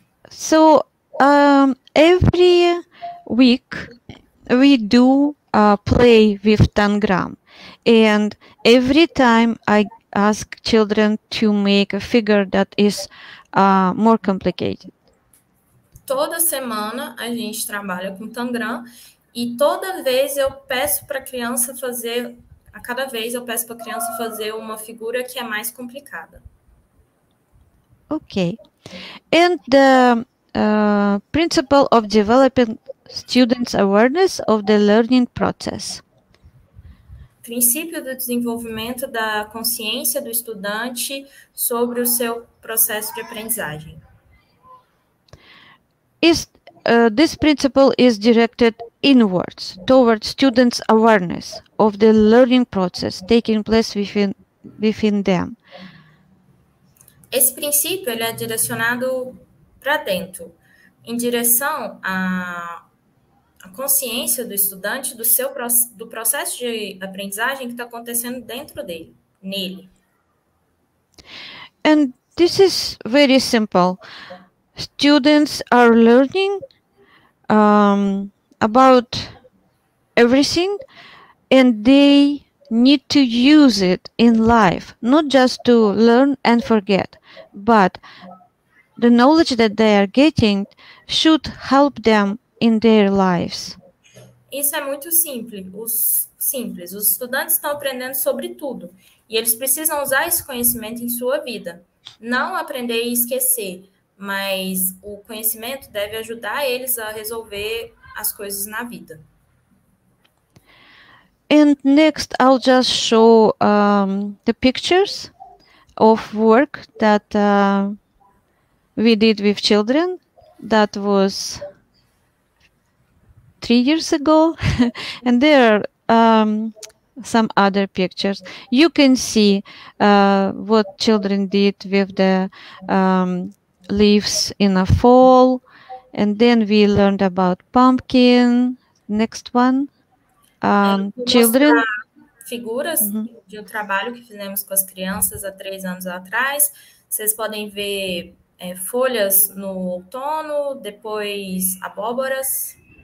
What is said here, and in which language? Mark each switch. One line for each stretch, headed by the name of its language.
English: So, every week we do play with Tangram. And every time I ask children to make a figure that is more complicated.
Portuguese: Toda semana a gente trabalha com Tangram e toda vez eu peço para a criança fazer, a cada vez eu peço para a criança fazer uma figura que é mais complicada. Ok.
English: And the principle of developing students' awareness of the learning process.
Portuguese: Princípio do desenvolvimento da consciência do estudante sobre o seu processo de aprendizagem.
English: This principle is directed inwards, towards students' awareness of the learning process taking place within them.
Portuguese: Esse princípio ele é direcionado para dentro, em direção à consciência do estudante do processo de aprendizagem que está acontecendo dentro dele, nele.
English: And this is very simple. Students are learning about everything and they need to use it in life, not just to learn and forget, but the knowledge that they are getting should help them in their lives.
Portuguese: Isso é muito simples. Os estudantes estão aprendendo sobre tudo e eles precisam usar esse conhecimento em sua vida. Não aprender e esquecer. Mas o conhecimento deve ajudar eles a resolver as coisas na vida.
English: And next, I'll just show the pictures of work that we did with children. That was 3 years ago. And there are some other pictures. You can see what children did with the leaves in a fall, and then we learned about pumpkin. Next one, children.
Portuguese: figuras de um trabalho que fizemos com as crianças há 3 anos atrás. Vocês podem ver folhas no outono, depois abóboras.